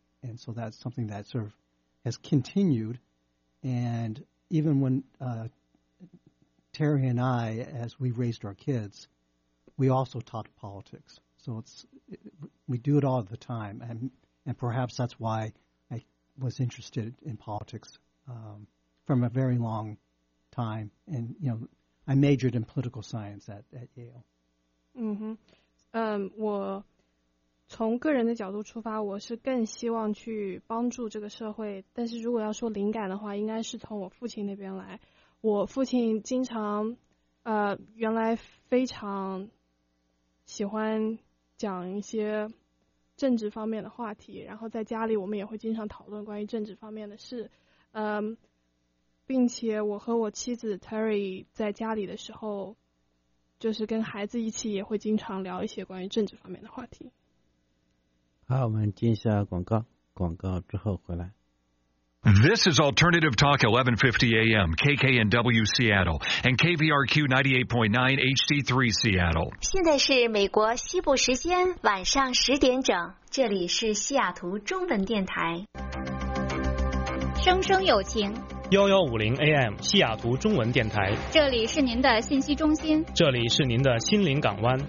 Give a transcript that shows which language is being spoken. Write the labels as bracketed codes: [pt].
[en] And so that's something that sort of has continued. And even when Terry and I, as we raised our kids, we also talked politics. So we do it all the time. And perhaps that's why I was interested in politics from a very long time. And, you know, I majored in political science at Yale. Mm-hmm. [zh] 从个人的角度出发，我是更希望去帮助这个社会。但是如果要说灵感的话，应该是从我父亲那边来。我父亲经常，原来非常喜欢讲一些政治方面的话题，然后在家里我们也会经常讨论关于政治方面的事。并且我和我妻子 Terry 在家里的时候，就是跟孩子一起也会经常聊一些关于政治方面的话题。好，我们接一下广告，广告之后回来。 [en] This is Alternative Talk 1150 AM, KKNW Seattle, and KVRQ 98.9 HD3 Seattle. [zh] 现在是美国西部时间晚上十点整，这里是西雅图中文电台。声声有情。 1150 AM, 西雅图中文电台。这里是您的信息中心。这里是您的心灵港湾。